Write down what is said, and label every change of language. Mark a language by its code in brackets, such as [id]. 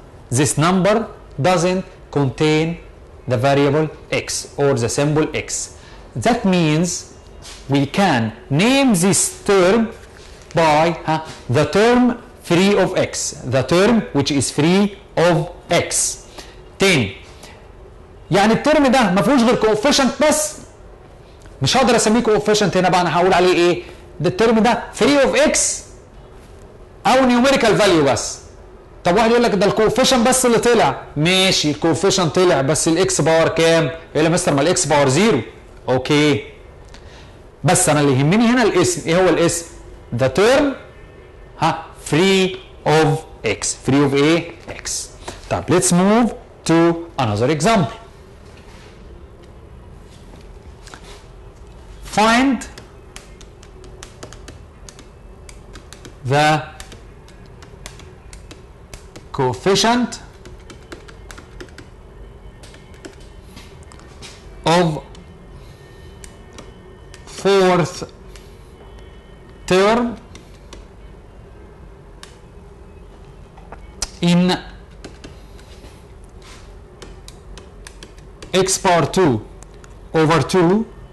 [en] This number doesn't contain the variable x or the symbol x. That means we can name this term by the term free of x, the term which is free of x. [ar] 10 يعني الترم ده ما فيهوش غير coefficient بس. مش هقدر اسميه coefficient هنا، بقى انا هقول عليه ايه؟ ده الترم ده [en] free of x [ar] او numerical value بس. طب واحد يقول لك ده الكوفيشن بس اللي طلع. ماشي الكوفيشن طلع، بس الاكس باور كام؟ يقول لي مستر ما الاكس باور زيرو. اوكي، بس انا اللي يهمني هنا الاسم. ايه هو الاسم؟ [en] the term ها free of x، free of a x. طب let's move to another example. find the coefficient of fourth term in x power 2 over 2